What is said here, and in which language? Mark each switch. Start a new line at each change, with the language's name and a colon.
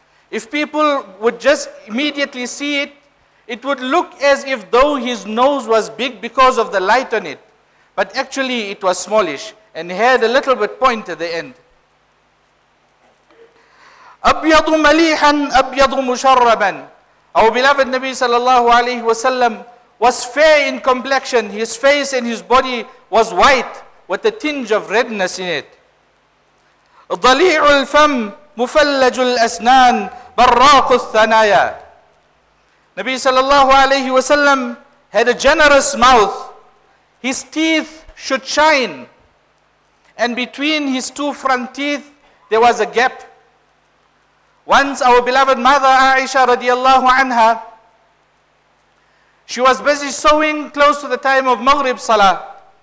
English: If people would just immediately see it, it would look as if though his nose was big because of the light on it, but actually it was smallish and had a little bit point at the end.
Arabic: أبيض مليحا أبيض مشربا.
English: Our beloved Nabi sallallahu alayhi wasallam was fair in complexion. His face and his body was white with a tinge of redness in it.
Arabic: ضليع الفم مفلج الأسنان براق الثنايا.
English: Nabi sallallahu alayhi wa sallam had a generous mouth. His teeth should shine. And between his two front teeth, there was a gap. Once our beloved mother Aisha radiallahu anha, she was busy sewing close to the time of Maghrib Salah.